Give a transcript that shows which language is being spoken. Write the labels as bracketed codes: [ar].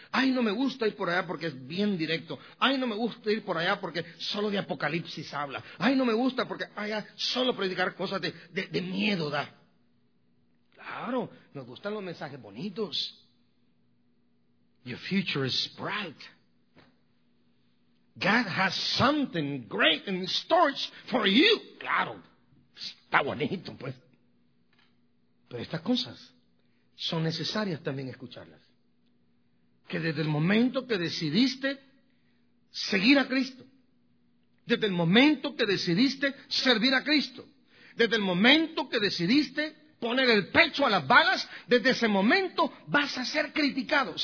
[es] Ay, no me gusta ir por allá porque es bien directo. Ay, no me gusta ir por allá porque solo de Apocalipsis habla. Ay, no me gusta porque allá solo predicar cosas de miedo da. Claro, nos gustan los mensajes bonitos. [en] Your future is bright. God has something great in store for you. [es] Claro, está bonito, pues. Pero estas cosas son necesarias también escucharlas. Que desde el momento que decidiste seguir a Cristo, desde el momento que decidiste servir a Cristo, desde el momento que decidiste poner el pecho a las balas, desde ese momento vas a ser criticado.